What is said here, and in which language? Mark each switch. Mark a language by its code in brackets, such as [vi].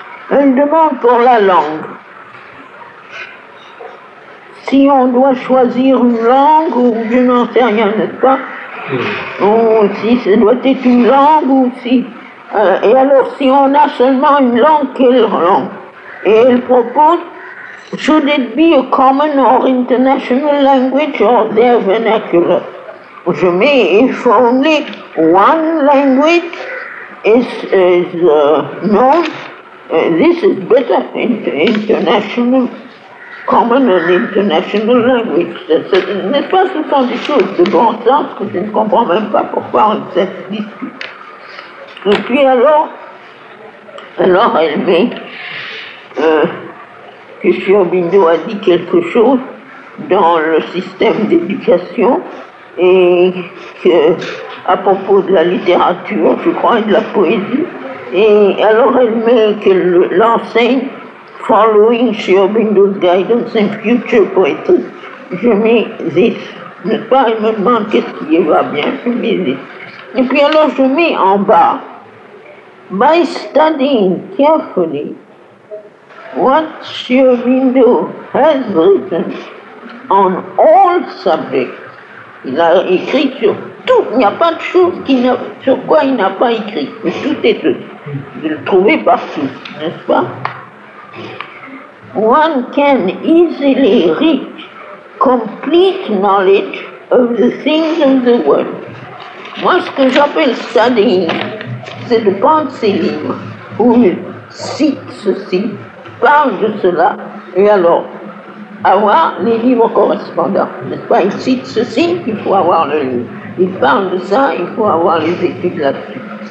[fr] Elle demande pour la langue. Si on doit choisir une langue ou je n'en sais rien, n'est-ce pas? Oui. Ou si ça doit être une langue ou si... et alors, si on a seulement une langue, quelle langue? Et elle propose, [en] should it be a common or international language or their vernacular? [fr] Je mets, [en] if only one language is known, this is better, international, common and international language. [fr] N'est-ce pas, ce sont des choses de bon sens que je ne comprends même pas pourquoi on se discute. Et puis alors elle met, que Chiyo Bindo a dit quelque chose dans le système d'éducation et que, à propos de la littérature, je crois, et de la poésie. Et alors elle met qu'elle l'enseigne « [en] Following Chiyo Bindo's guidance in future poetry ». [fr] Je mets « this ». N'est-ce pas, elle me demande qu'est-ce qui va bien, je mets « this ». Et puis alors je mets en bas « [en] by studying carefully ». What Chiyo Bindo has written on all subjects, [fr] il a écrit sur tout, il n'y a pas de chose sur quoi il n'a pas écrit, mais tout est de le trouver partout, n'est-ce pas? [en] One can easily reach complete knowledge of the things of the world. [fr] Moi, ce que j'appelle studying, c'est de prendre ses livres où il cite ceci, parle de cela, et alors, avoir les livres correspondants. N'est-ce pas? Il cite ceci, il faut avoir le livre. Il parle de ça, il faut avoir les études là-dessus.